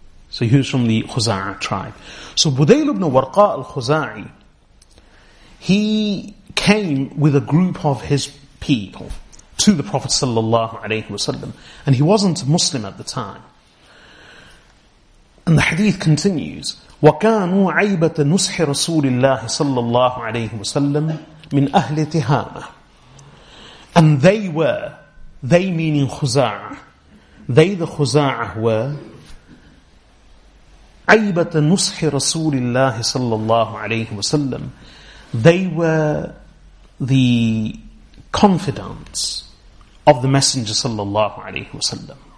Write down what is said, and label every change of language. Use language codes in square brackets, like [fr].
[en] So he was from the Khuza'a tribe. So Budayl ibn Warqa al-Khuza'i, he came with a group of his people to the Prophet sallallahu alayhi wasallam, and he wasn't a Muslim at the time. And the hadith continues, [ar] وَكَانُوا عَيْبَةَ نُسْحِ رَسُولِ اللَّهِ صَلَّى اللَّهُ عَلَيْهِ وَسَلَّمْ مِنْ أَهْلِ تِهَامَةِ. [en] And they were, they meaning Khuza'a, they the Khuza'a were, [ar] عيبة نصح رسول الله صلى الله عليه وسلم. [en] They were the confidants of the Messenger صلى الله عليه وسلم.